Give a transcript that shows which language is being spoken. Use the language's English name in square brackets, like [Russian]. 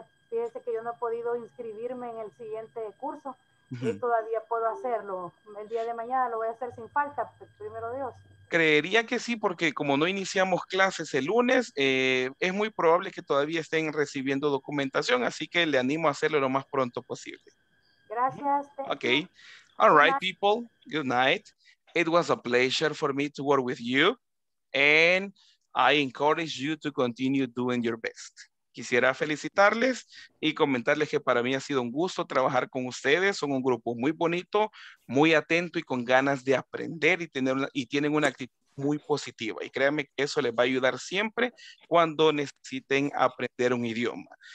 [Spanish] Fíjese que yo no he podido inscribirme en el siguiente curso y todavía puedo hacerlo. El día de mañana lo voy a hacer sin falta, primero Dios. Creería que sí, porque como no iniciamos clases el lunes, es muy probable que todavía estén recibiendo documentación, así que le animo a hacerlo lo más pronto posible. Gracias. [English] Ok. All right, people. Good night. It was a pleasure for me to work with you. And I encourage you to continue doing your best. [Spanish] Quisiera felicitarles y comentarles que para mí ha sido un gusto trabajar con ustedes. Son un grupo muy bonito, muy atento y con ganas de aprender y tienen una actitud muy positiva. Y créanme que eso les va a ayudar siempre cuando necesiten aprender un idioma.